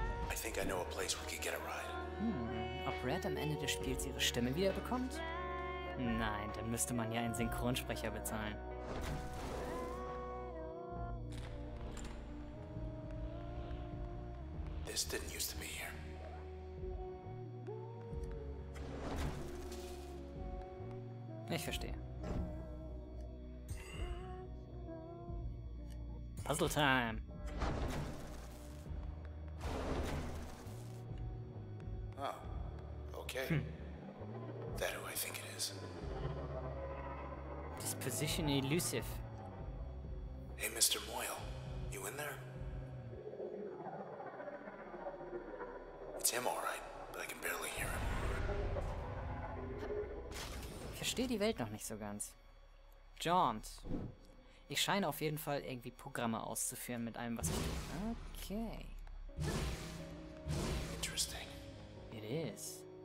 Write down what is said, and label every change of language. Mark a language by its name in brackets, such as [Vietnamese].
[English] I think I know a place we could get a ride. [German] Ob Red am Ende des Spiels ihre Stimme wiederbekommt? Nein, dann müsste man ja einen Synchronsprecher bezahlen. [English] Didn't used to be here. [German] Ich verstehe. [English] Puzzle time. Oh, okay. That who I think it is. Disposition elusive. Hey, Mr. Moyle, you in there? It's him, all right, but I can barely hear him. [German] Ich verstehe die Welt noch nicht so ganz. Jaunt. Ich scheine auf jeden Fall irgendwie Programme auszuführen mit allem, was ich... [English] Okay. Interesting. It is.